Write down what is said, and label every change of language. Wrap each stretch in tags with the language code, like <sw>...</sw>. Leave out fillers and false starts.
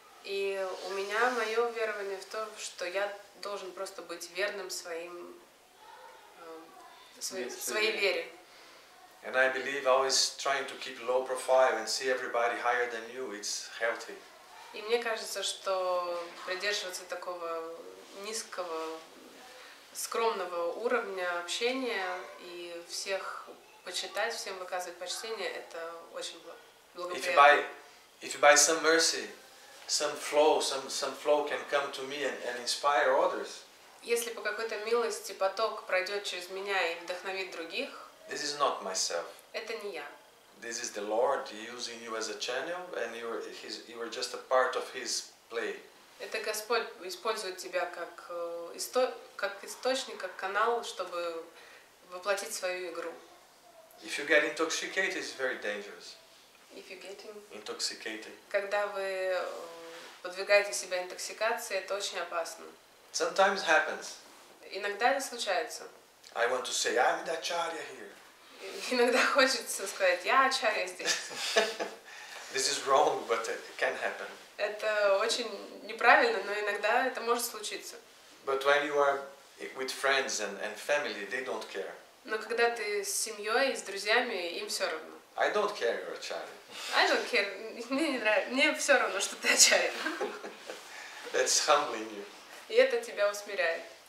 <ru>И у меня мое верование в том, что я должен просто быть верным своим своей вере.</ru> <en>And I believe always trying to keep low profile and see everybody higher than you, it's healthy.</en> <ru>И мне кажется, что придерживаться такого низкого, скромного уровня общения и всех почитать, всем выказывать почтение, это очень благоприятно.</ru> <en>If you buy some mercy, some flow can come to me and inspire others.</en> <ru>Если по какой-то милости поток пройдет через меня и вдохновит других.</ru> <en>This is not myself.</en> <ru>Это не я.</ru> <en>This is the Lord using you as a channel, and you are just a part of His play.</en> <ru>Это Господь использует тебя как источник, как канал, чтобы воплотить свою игру.</ru> <en>If you get intoxicated, it's very dangerous. If you get intoxicated.</en> <ru>Когда вы подвигаете себя интоксикации, это очень опасно.</ru> <en>Sometimes happens.</en> <ru>Иногда это случается.</ru> <en>I want to say I'm the acharya here.</en> <ru>Иногда хочется сказать, я ачарья здесь.</ru> <en>This is wrong, but it can happen.</en> <ru>Это очень неправильно, но иногда это может случиться.</ru> <en>But when you are with friends and family, they don't care.</en> <ru>Но когда ты с семьей, с друзьями, им все равно.</ru> <en>I don't care, you're ачарья. I don't care.</en> <ru>Мне все равно, что ты ачарья.</ru> <en>That's humbling you.</en> <ru>И это тебя усмиряет.</ru>